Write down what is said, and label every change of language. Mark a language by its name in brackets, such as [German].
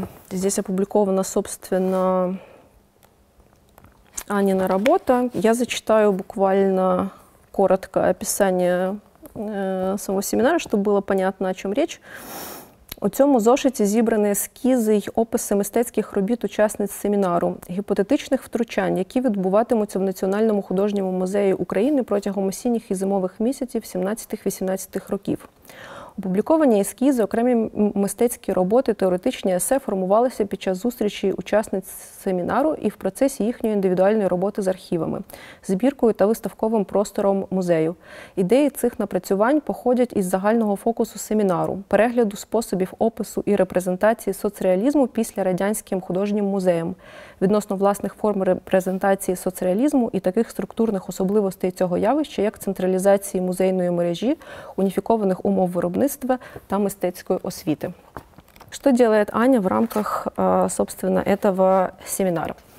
[Russian] Здесь опубликована, собственно, Анина работа. Я зачитаю буквально коротко описание самого семинара, чтобы было понятно, о чем речь. [Ukrainian] У цьому зошиті зібрані ескізи й описи мистецьких робіт учасниць семінару, гіпотетичних втручань, які відбуватимуться в Національному художньому музеї України протягом осінніх і зимових місяців 17-18 років. Опубліковані ескізи, окремі мистецькі роботи, теоретичні есе формувалися під час зустрічі учасниць семінару і в процесі їхньої індивідуальної роботи з архівами, збіркою та виставковим простором музею. Ідеї цих напрацювань походять із загального фокусу семінару, перегляду способів опису і репрезентації соцреалізму після радянським художнім музеєм, відносно власних форм репрезентації соцреалізму і таких структурних особливостей цього явища, як централізації музейної мережі, уніфікованих умов виробництва, там эстетической освиты. [Russian] Что делает Аня в рамках, собственно, этого семинара?